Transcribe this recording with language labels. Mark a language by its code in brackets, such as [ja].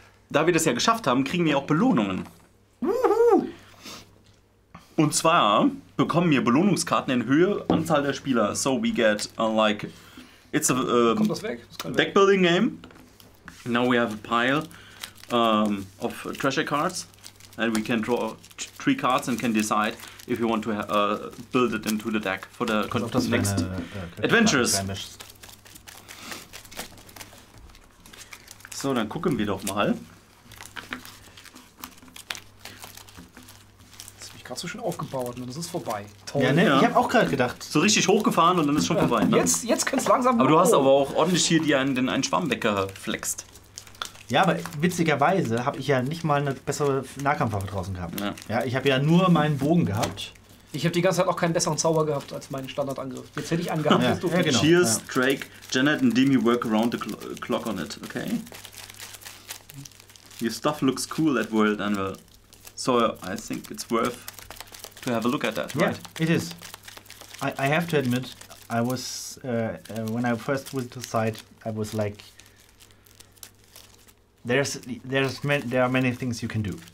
[de] Da wir das ja geschafft haben, kriegen wir auch Belohnungen. Und zwar bekommen wir Belohnungskarten in Höhe Anzahl der Spieler. [en] So we get like it's a deck building game. Now we have a pile of treasure cards and we can draw three cards and can decide if we want to build it into the deck for the next adventures. [de] So, dann gucken wir doch mal. Gerade so schön aufgebaut und es ist vorbei. Toll. Ja, ne? Ich habe auch gerade gedacht. So richtig hochgefahren und dann ist schon vorbei. Ne? Jetzt könnte es langsam. Aber du hast aber auch ordentlich hier den einen Schwamm weggeflext. Ja, aber witzigerweise habe ich ja nicht mal eine bessere Nahkampfwaffe draußen gehabt. Ja, ich habe ja nur meinen Bogen gehabt. Ich habe die ganze Zeit auch keinen besseren Zauber gehabt als meinen Standardangriff. Jetzt hätte ich einen gehabt. Genau. [en] Cheers, Drake, Janet and Demi work around the clock on it, okay? Your stuff looks cool at World Anvil. So I think it's worth to have a look at that, right? Yeah, it is. I have to admit, I was when I first went to site, I was like, there are many things you can do.